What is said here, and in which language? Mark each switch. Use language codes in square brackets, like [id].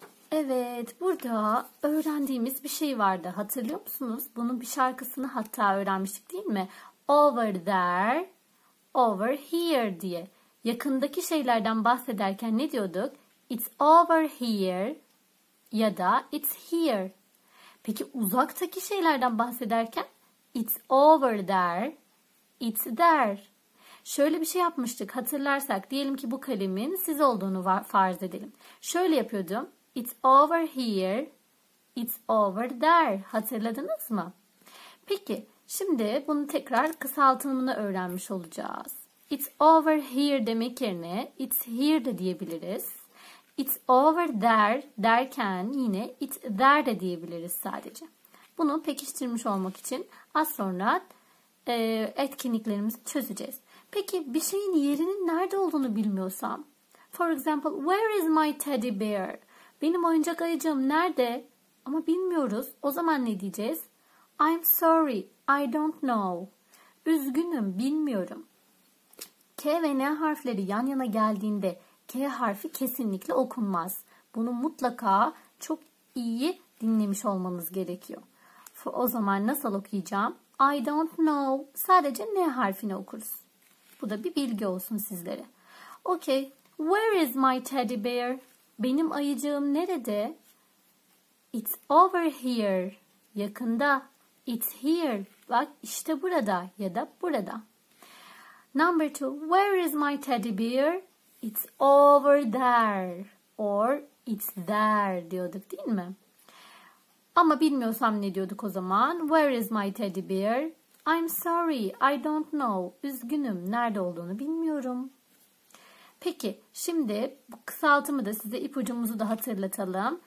[tr] Evet, burada öğrendiğimiz bir şey vardı. Hatırlıyor musunuz? Bunun bir şarkısını hatta öğrenmiştik, değil mi? [en] Over there, over here [tr] diye. Yakındaki şeylerden bahsederken ne diyorduk? [en] It's over here [tr] ya da [en] it's here. [tr] Peki uzaktaki şeylerden bahsederken? [en] It's over there, it's there. [tr] Şöyle bir şey yapmıştık hatırlarsak. Diyelim ki bu kalemin siz olduğunu farz edelim. Şöyle yapıyordum. [en] It's over here, it's over there. [tr] Hatırladınız mı? Peki şimdi bunu tekrar kısaltımını öğrenmiş olacağız. [en] It's over here [tr] demek yerine [en] it's here [tr] de diyebiliriz. [en] It's over there [tr] derken yine [en] it's there [tr] de diyebiliriz sadece. Bunu pekiştirmiş olmak için az sonra etkinliklerimizi çözeceğiz. Peki bir şeyin yerinin nerede olduğunu bilmiyorsam. [en] For example, where is my teddy bear? [tr] Benim oyuncak ayıcığım nerede? Ama bilmiyoruz. O zaman ne diyeceğiz? [en] I'm sorry, I don't know. [tr] Üzgünüm, bilmiyorum. K ve N harfleri yan yana geldiğinde K harfi kesinlikle okunmaz. Bunu mutlaka çok iyi dinlemiş olmanız gerekiyor. O zaman nasıl okuyacağım? [en] I don't know. [tr] Sadece N harfini okuruz. Bu da bir bilgi olsun sizlere. [en] Okay. Where is my teddy bear? [tr] Benim ayıcığım nerede? [en] It's over here. [tr] Yakında. [en] It's here. [tr] Bak işte burada ya da burada. [en] Number two, where is my teddy bear? It's over there or it's there [tr] diyorduk değil mi? Ama bilmiyorsam ne diyorduk o zaman? [en] Where is my teddy bear? I'm sorry, I don't know. [tr] Üzgünüm, nerede olduğunu bilmiyorum. Peki, şimdi bu kısaltımı da size ipucumuzu da hatırlatalım.